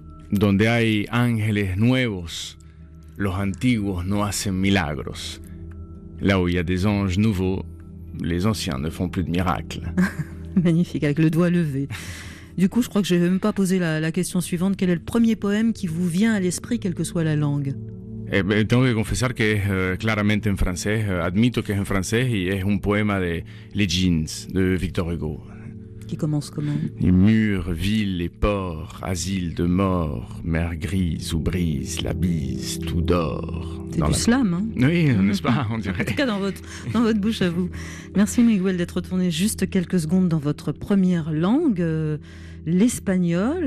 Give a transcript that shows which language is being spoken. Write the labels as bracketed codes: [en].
[es] Donde hay ángeles nuevos, los antiguos no hacen milagros. [fr] Là où il y a des anges nouveaux, les anciens ne font plus de miracles. Magnifique, avec le doigt levé. Du coup, je crois que je n'ai même pas posé la question suivante. Quel est le premier poème qui vous vient à l'esprit, quelle que soit la langue ? [es] Tengo que confesar que es claramente en francés. Admito que es en francés y es un poema de Les Jeans, de Victor Hugo. Qui commence comment ? [fr] Les murs, villes et ports, asile de mort, mer grise où brise la bise, tout dort. C'est dans du slam, hein ? Oui, n'est-ce pas, on dirait. En tout cas, dans votre bouche à vous. Merci Miguel d'être retourné juste quelques secondes dans votre première langue, l'espagnol.